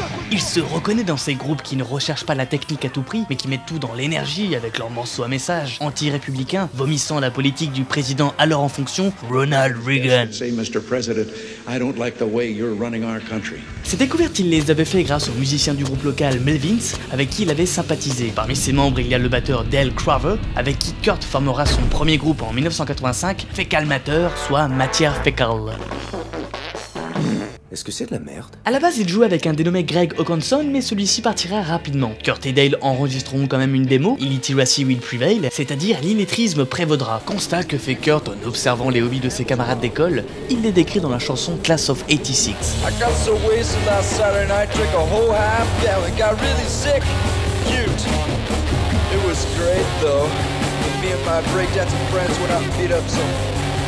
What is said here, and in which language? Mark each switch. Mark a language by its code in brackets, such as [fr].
[fr] Il se reconnaît dans ces groupes qui ne recherchent pas la technique à tout prix, mais qui mettent tout dans l'énergie avec leurs morceaux à message anti-républicains, vomissant la politique du président alors en fonction, Ronald Reagan. [en] Say, Mr. President, I don't like the way you're running our country. [fr] Ces découvertes, il les avait fait grâce au musicien du groupe local Melvins, avec qui il avait sympathisé. Parmi ses membres, il y a le batteur Dale Craver, avec qui Kurt formera son premier groupe en 1985, Fécalmateur, soit Matière Fécale. Est-ce que c'est de la merde ? À la base, il joue avec un dénommé Greg Hawkinson, mais celui-ci partira rapidement. Kurt et Dale enregistreront quand même une démo, Illiteracy Will Prevail, c'est-à-dire l'illettrisme prévaudra. Constat que fait Kurt en observant les hobbies de ses camarades d'école, il les décrit dans la chanson Class of 86. [en] I got so wasted last Saturday night, drank a whole half gallon, got really sick, cute. It was great though. Me and my breakdancing friends went out and beat up some.